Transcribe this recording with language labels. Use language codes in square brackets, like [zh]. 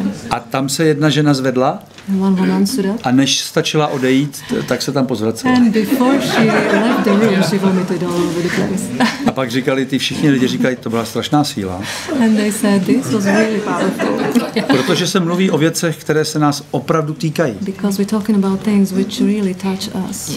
[cs] A tam se jedna žena zvedla a než stačila odejít, tak se tam pozvracela. [en] And before she left the room, she vomited all over the place. [cs] A pak říkali ty všichni lidi, říkali, to byla strašná síla. [en] And they said this was really powerful. [cs] Protože se mluví o věcech, které se nás opravdu týkají. [en] Because we're talking about things which really touch us.